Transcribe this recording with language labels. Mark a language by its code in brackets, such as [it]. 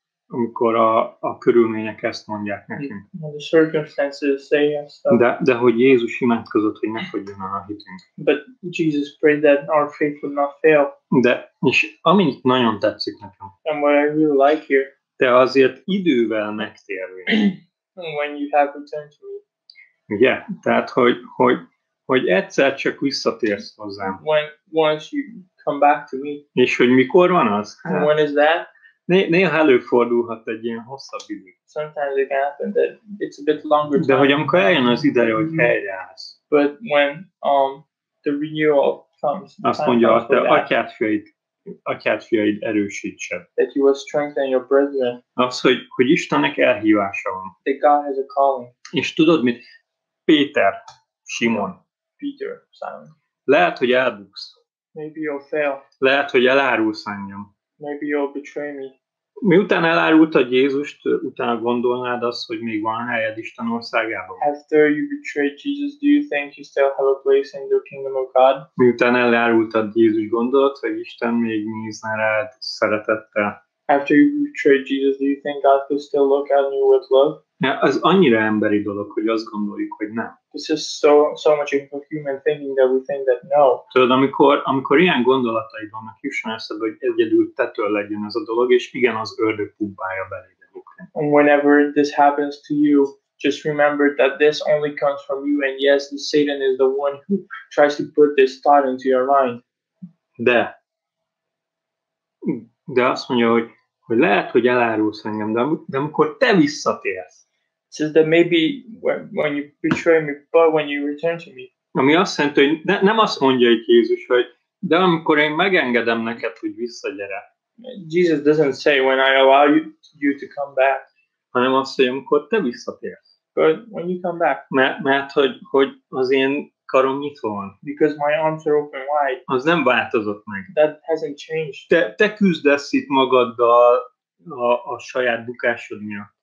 [hu] Amikor a körülmények ezt mondják nekünk. [en] The circumstances say yes. [hu] De hogy Jézus imádkozott, hogy ne fogjon el a hitünk. [en] But Jesus prayed that our faith would not fail. [hu] De, és amit nagyon tetszik nekem. [en] And what I really like here. [hu] Te azért idővel megtérvén. [en] When you have returned to me. [hu] Yeah, tehát hogy egyszer csak visszatérsz hozzám. [en] When once you come back to me. [hu] És hogy mikor van az? [en] And when is that? [hu] Néha előfordulhat egy ilyen hosszabb idő. [en] Sometimes it can happen that it's a bit longer time. [hu] De hogy amikor eljön az ideje, hogy helyreállsz. [en] But when the renewal comes. [hu] Azt mondja, hogy te atyádfiaid erősítsed. [en] That you will strengthen your brethren. [hu] Az, hogy Istennek elhívása van. [en] That God has a calling. [hu] És tudod mit? Péter, Simon. [en] Peter, Simon. [hu] Lehet, hogy elbuksz. [en] Maybe you'll fail. [hu] Lehet, hogy elárulsz engem. [en] Maybe you'll betray me. [hu] Miután elárultad Jézust, utána gondolnád azt, hogy még van helyed Isten országában? [en] After you betrayed Jesus, do you think you still have a place in the kingdom of God? [hu] Miután elárultad Jézus, gondolod, hogy Isten még nézne rád szeretettel? [en] After you betrayed Jesus, do you think God could still look at you with love? [hu] Ja, az annyira emberi dolog, hogy azt gondoljuk, hogy nem. [en] This is so much of human thinking that we think that no. [hu] Tudod, amikor ilyen gondolataid vannak, jusson eszedbe, hogy egyedül tetől legyen ez a dolog, és igen, az ördög pumpálja beléd. [en] Whenever this happens to you, just remember that this only comes from you, and yes, Satan is the one who tries to put this thought into your mind. [hu] De azt mondja, hogy lehet, hogy elárulsz engem, de amikor te visszatérsz. [en] It says that maybe when you betray me, but when you return to me. [hu] Ami azt jelenti, hogy nem azt mondja egy Jézus, hogy de amikor én megengedem neked, hogy visszagyere. [en] Jesus doesn't say when I allow you to come back. [hu] Hanem azt mondja, amikor te visszatérsz. [en] But when you come back. [hu] Mert hogy az én karom nyitva van. [en] Because my arms are open wide. [hu] Az nem változott meg. [en] That hasn't changed. [hu] Te küzdesz itt magaddal a saját bukásod miatt.